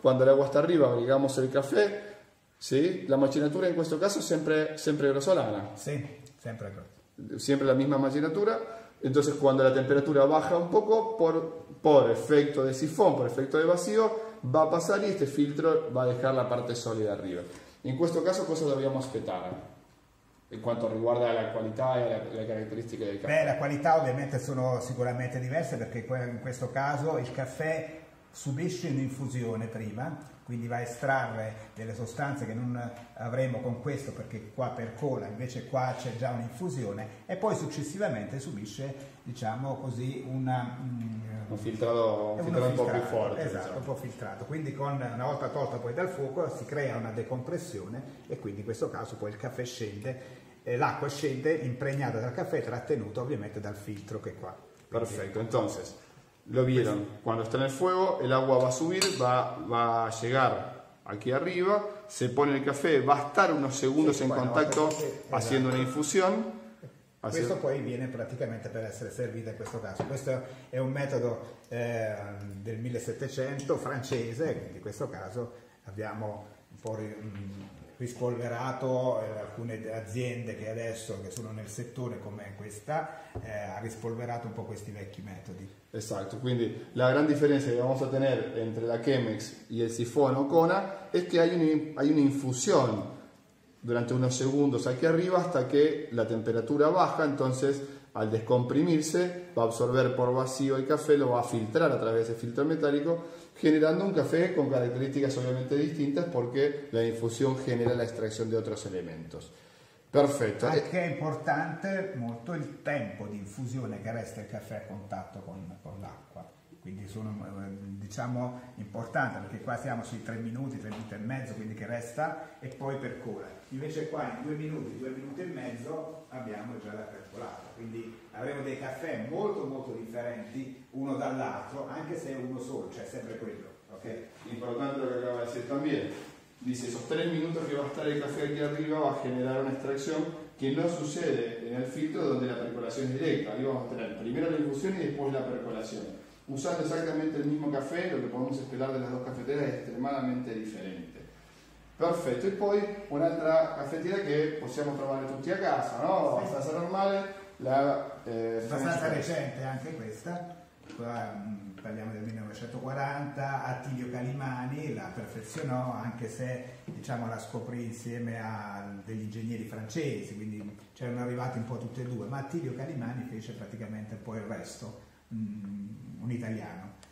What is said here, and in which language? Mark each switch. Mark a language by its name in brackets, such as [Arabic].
[Spanish] Cuando el agua está arriba, agregamos el café. ¿Sí? La macinatura en este caso siempre grosolana. Sí, siempre grosolana. Siempre la misma macinatura. Entonces, cuando la temperatura baja un poco, por efecto de sifón, por efecto de vacío, va a pasar y este filtro va a dejar la parte sólida arriba. [Italian] En este caso, cosa dobbiamo aspettare? In quanto riguarda la qualità e le caratteristiche del caffè? Beh, la qualità ovviamente sono sicuramente diverse, perché in questo caso il caffè subisce un'infusione prima, quindi va a estrarre delle sostanze che non avremo con questo, perché qua percola, invece qua c'è già un'infusione, e poi successivamente subisce, diciamo così, un filtrato un po' più forte. Esatto, diciamo. Un po' filtrato. Quindi una volta tolta poi dal fuoco si crea una decompressione e quindi in questo caso poi il caffè scende, l'acqua scende impregnata dal caffè, trattenuto ovviamente dal filtro che è qua. Perfetto, entonces. [Spanish] Lo vieron, cuando está en el fuego, el agua va a subir, va a llegar aquí arriba, se pone el café, va a estar unos segundos en contacto haciendo una infusión. [Italian] Questo poi viene praticamente per essere servito in questo caso. Questo è un metodo del 1700 francese, quindi in questo caso abbiamo un po' rispolverato alcune aziende che adesso che sono nel settore come questa, ha rispolverato un po' questi vecchi metodi. [Spanish] Exacto, quindi la gran differenza che vamos a tener entre la Chemex y el sifón o cona es que hay una infusión durante unos segundos aquí arriba hasta que la temperatura baja, entonces al descomprimirse va a absorber por vacío el café, lo va a filtrar a través de filtro metálico, generando un café con características obviamente distintas porque la infusión genera la extracción de otros elementos. [Italian] Perfetto. Anche è importante molto il tempo di infusione che resta il caffè a contatto con l'acqua. Quindi sono, diciamo, importante, perché qua siamo sui 3 minuti, 3 minuti e mezzo, quindi che resta e poi percola. Invece qua in 2 minuti, 2 minuti e mezzo abbiamo già la percolata. Quindi avremo dei caffè molto molto differenti uno dall'altro, anche se è uno solo, cioè sempre quello. Okay? [Spanish] Importante lo che acaba di dire también. Dice, esos 3 minutos que va a estar el café aquí arriba va a generar una extracción que no sucede en el filtro donde la percolación es directa. Ahí vamos a tener primero la infusión y después la percolación. Usando exactamente el mismo café, lo que podemos esperar de las dos cafeteras es extremadamente diferente. Perfecto. [Italian] Y poi un'altra cafetera que possiamo trovare tutti a casa, ¿no? Abbastanza normale. La, abbastanza recente anche questa. Qua parliamo del 1940, Attilio Calimani la perfezionò, anche se diciamo la scoprì insieme a degli ingegneri francesi, quindi c'erano arrivati un po' tutti e due, ma Attilio Calimani fece praticamente poi il resto, un italiano.